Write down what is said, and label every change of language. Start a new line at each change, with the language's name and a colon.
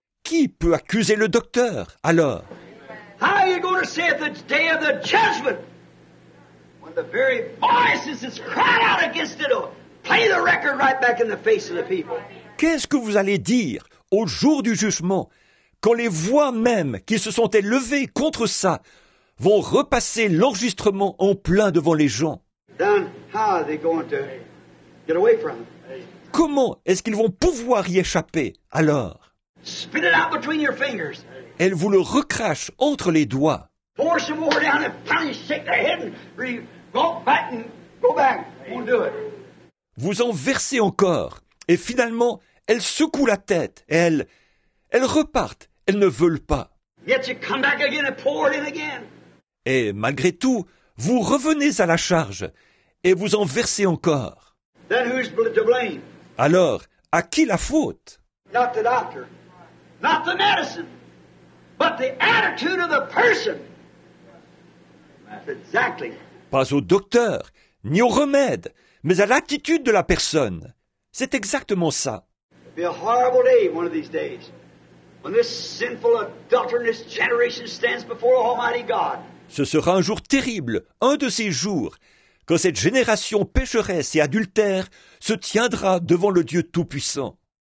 French: Qui peut accuser le docteur, alors?
English: How are you going to say at the day of the judgment when the very voices is crying out against it? Play the record right back in the face of the people.
French: Qu'est-ce que vous allez dire au jour du jugement quand les voix même qui se sont élevées contre ça vont repasser l'enregistrement en plein devant les gens?
English: Then how are they going to get away from it?
French: Comment est-ce qu'ils vont pouvoir y échapper, alors?
English: Spit it out between your fingers.
French: Elle vous le recrache entre les doigts.
English: Force them over down and finally shake their head and go back and go back. Won't do it.
French: Vous en versez encore, et finalement, elles secouent la tête, et elles repartent, elles ne veulent pas.
English: Yet you come back again and pour it in again.
French: Et malgré tout, vous revenez à la charge, et vous en versez encore.
English: Then who's to blame?
French: Alors, à qui la faute?
English: Not the doctor, not the medicine, but the attitude of the person. Exactly.
French: Pas au docteur, ni au remède, mais à l'attitude de la personne. C'est exactement ça.
English: It'll be a horrible day one of these days when this sinful adulterous generation stands before Almighty God.
French: Ce sera un jour terrible, un de ces jours, quand cette génération pécheresse et adultère se tiendra devant le Dieu Tout-Puissant.